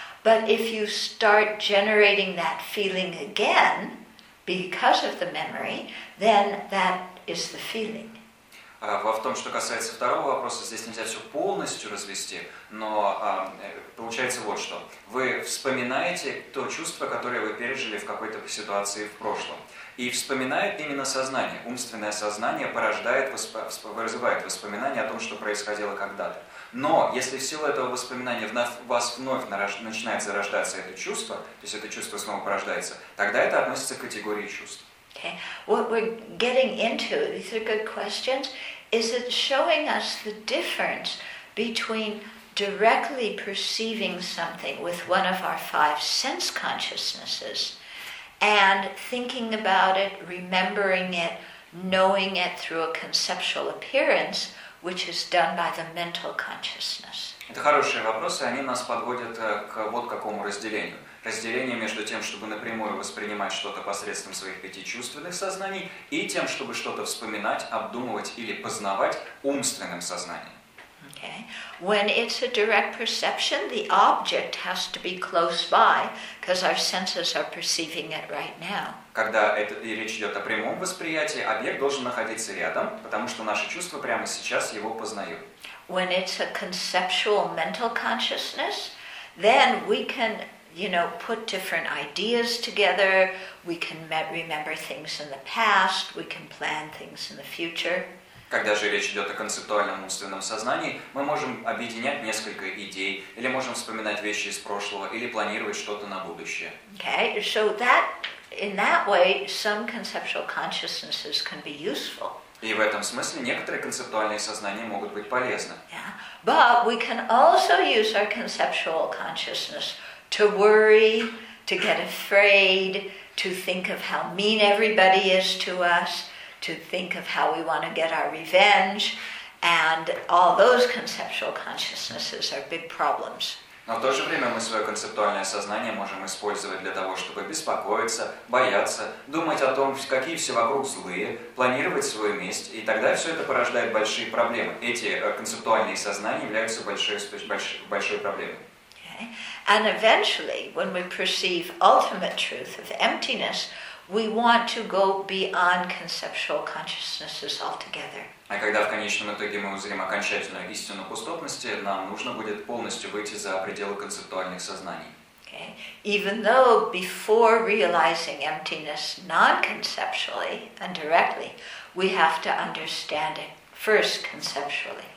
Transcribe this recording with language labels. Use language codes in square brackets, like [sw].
[en] But if you start generating that feeling again because of the memory, then that is the feeling. [ru] В том, что касается второго вопроса, здесь нельзя все полностью развести, но получается вот что. Вы вспоминаете то чувство, которое вы пережили в какой-то ситуации в прошлом. И вспоминает именно сознание. Умственное сознание порождает, вызывает воспоминания о том, что происходило когда-то. Но если в силу этого воспоминания вас вновь начинает зарождаться это чувство, то есть это чувство снова порождается, тогда это относится к категории чувств. [en] Okay. What we're getting into, these are good questions, is it showing us the difference between directly perceiving something with one of our five sense consciousnesses and thinking about it, remembering it, knowing it through a conceptual appearance, which is done by the mental consciousness. [ru] Это хорошие вопросы, они нас подводят к вот какому разделению. Разделение между тем, чтобы напрямую воспринимать что-то посредством своих пяти чувственных сознаний, и тем, чтобы что-то вспоминать, обдумывать или познавать умственным сознанием. [en] Okay. When it's a direct perception, the object has to be close by, because our senses are perceiving it right now. [ru] Когда это, и речь идет о прямом восприятии, объект должен находиться рядом, потому что наши чувства прямо сейчас его познают. [en] When it's a conceptual mental consciousness, then we can, you know, put different ideas together, we can remember things in the past, we can plan things in the future. [ru] Когда же речь идет о концептуальном умственном сознании, мы можем объединять несколько идей, или можем вспоминать вещи из прошлого, или планировать что-то на будущее. [en] Okay, so that, in that way, some conceptual consciousnesses can be useful. [ru] И в этом смысле некоторые концептуальные сознания могут быть полезны. [en] Yeah, but we can also use our conceptual consciousness to worry, to get afraid, to think of how mean everybody is to us, to think of how we want to get our revenge, and all those conceptual consciousnesses are big problems. [ru] Но в то же время мы свое концептуальное сознание можем использовать для того, чтобы беспокоиться, бояться, думать о том, какие все вокруг злые, планировать свою месть, и тогда все это порождает большие проблемы. Эти концептуальные сознания являются большой проблемой. [en] Okay. And eventually, when we perceive ultimate truth of emptiness, we want to go beyond conceptual consciousnesses altogether. [ru] А когда в конечном итоге мы узрим окончательную истину пустотности, нам нужно будет полностью выйти за пределы концептуальных сознаний. [en] Okay. Even though before realizing emptiness non-conceptually and directly, we have to understand it first conceptually.